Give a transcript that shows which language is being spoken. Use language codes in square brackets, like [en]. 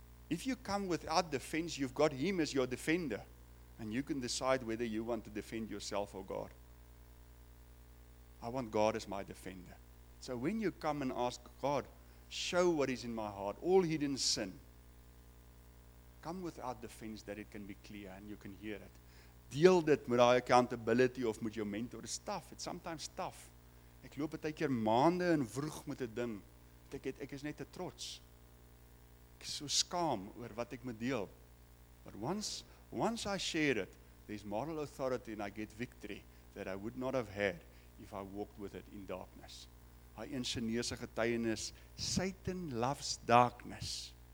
[en] If you come without defense, you've got him as your defender. And you can decide whether you want to defend yourself or God. I want God as my defender. So when you come and ask God, show what is in my heart, all hidden sin. Come without defense that it can be clear and you can hear it. [af] Deel dit met daai accountability of met jou mentor. [en] It's tough. It's sometimes tough. [af] Ek loop baie keer maande en vroeg met 'n ding. Ek is net te trots. Ek is so skaam oor wat ek moet deel. [en] But once I share it, there's moral authority and I get victory that I would not have had if I walked with it in darkness. [af] Hy een Chinese getuienis, [en] Satan loves darkness.